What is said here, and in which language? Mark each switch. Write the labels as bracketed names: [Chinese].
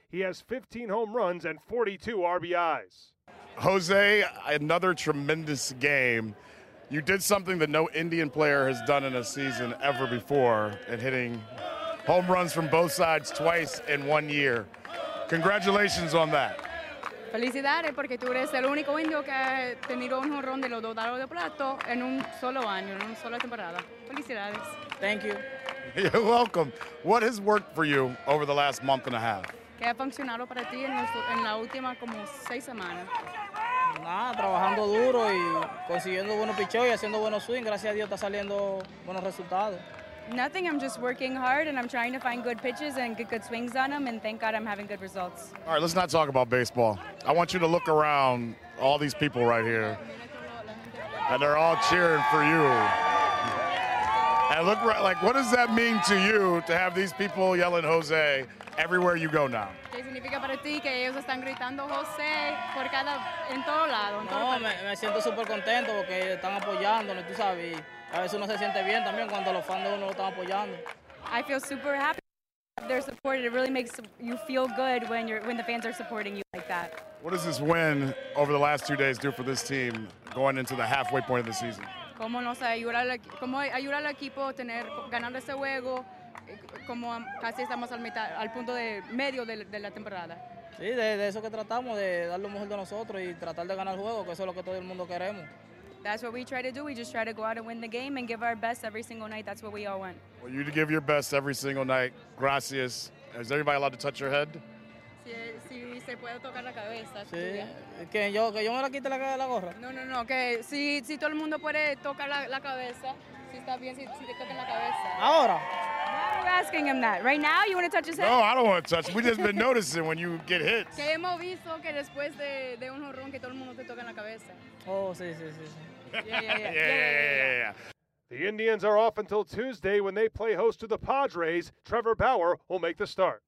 [English] He has 15 home runs and 42 RBIs. Jose, another tremendous game. You did something that no Indian player has done in a season ever before, and hitting home runs from both sides twice in 1 year. Congratulations on that. [Spanish] Felicidades, porque tú eres el único indio que ha tenido un jonrón de los dos lados de plato en un solo año, en una sola temporada. Felicidades. [English] Thank you. You're welcome. What has worked for you over the last month and a half? [Spanish] ¿Qué ha funcionado para ti en la última como 6 semanas? Nada, trabajando duro y consiguiendo buenos picheos y haciendo buenos swings. Gracias a Dios está saliendo buenos resultados. [English] Nothing, I'm just working hard and I'm trying to find good pitches and get good swings on them, and thank God I'm having good results. All right, let's not talk about baseball. I want you to look around all these people right here. And they're all cheering for you. And look, like, what does that mean to you to have these people yelling Jose everywhere you go now? [Spanish] ¿Qué significa para ti que ellos están gritando Jose por cada, en todo lado? No, me siento súper contento porque están apoyándonos, tú sabes. A veces uno se siente bien también cuando los fans de uno lo están apoyando. [English] I feel super happy their support. It really makes you feel good when the fans are supporting you like that. What does this win over the last 2 days do for this team going into the halfway point of the season? [Spanish] Cómo nos ayuda al equipo tener ganando ese juego como casi estamos al mitad al punto de medio de la temporada. Sí, de eso que tratamos de dar lo mejor de nosotros y tratar de ganar el juego, que eso es lo que todo el mundo queremos. [English] That's what we try to do. We just try to go out and win the game and give our best every single night. That's what we all want. Well, you give your best every single night. Gracias. Is everybody allowed to touch your head? [Spanish] Si se puede tocar la cabeza. Sí. Que yo me la quite la gorra. No. Que si todo el mundo puede tocar la cabeza. Si está bien, si te toquen la cabeza. Ahora. [English] Why are you asking him that? Right now, you want to touch his head? No, I don't want to touch. We just been noticing when you get hit. [Spanish] Que hemos visto que después de un jonrón que todo el mundo te toca en la cabeza. Oh, sí. [English] Yeah. The Indians are off until Tuesday when they play host to the Padres. Trevor Bauer will make the start.